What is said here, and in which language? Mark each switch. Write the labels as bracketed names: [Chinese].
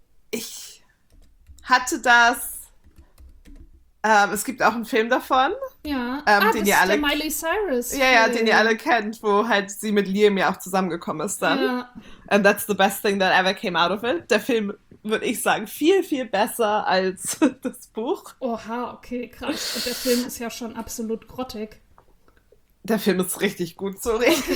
[German] Ich hatte das. Es gibt auch einen Film davon. Ja, den ihr alle, der Miley Cyrus. Ja, ja, den ihr alle kennt, wo halt sie mit Liam ja auch zusammengekommen ist dann. Ja. [English] And that's the best thing that ever came out of it. [German] Der Film, würde ich sagen, viel, viel besser als das Buch. Oha, okay, krass. Und der Film ist ja schon absolut grottig. Der Film ist richtig gut, sorry.